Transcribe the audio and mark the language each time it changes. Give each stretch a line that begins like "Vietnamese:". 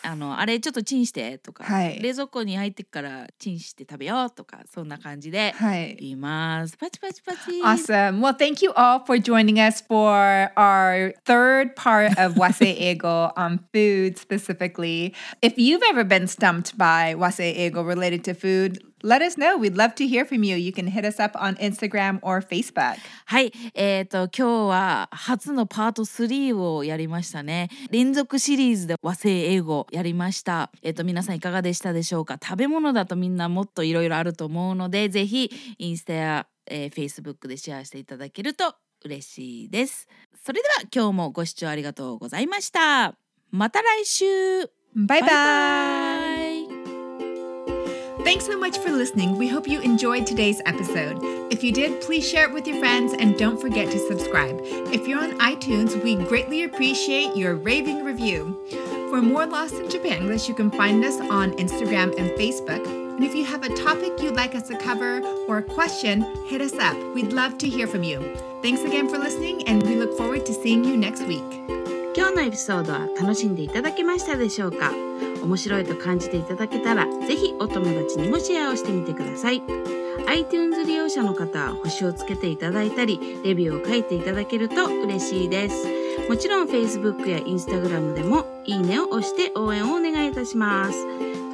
Japanese: あれちょっとチンしてとか、はい、冷蔵庫に入ってからチンして食べようとか、そんな感じで言います。はい、パチパチパチ。
English: Awesome. Well, thank you all for joining us for our third part of Wase Eigo on food specifically. If you've ever been stumped by Wase Eigo related to food, let us know. We'd love to hear from you. You can hit us up on Instagram or Facebook.
Japanese: はい、今日は初のパート3をやりましたね。連続シリーズで和製英語やりました。皆さんいかがでしたでしょうか。食べ物だとみんなもっといろいろあると思うので、ぜひインスタや、Facebook でシェアしていただけると嬉しいです。それでは今日もご視聴ありがとうございました。また来週。
English: Bye-bye. Bye-bye. Thanks so much for listening. We hope you enjoyed today's episode. If you did, please share it with your friends and don't forget to subscribe. If you're on iTunes, we greatly appreciate your raving review. For more Lost in Japanglish, you can find us on Instagram and Facebook. And if you have a topic you'd like us to cover or a question, hit us up. We'd love to hear from you. Thanks again for listening and we look forward to seeing you next week.
Japanese: 今日のエピソードは楽しんでいただけましたでしょうか。面白いと感じていただけたら、ぜひお友達にもシェアをしてみてください。 iTunes 利用者の方は星をつけていただいたり、レビューを書いていただけると嬉しいです。もちろん Facebook や Instagram でもいいねを押して応援をお願いいたします。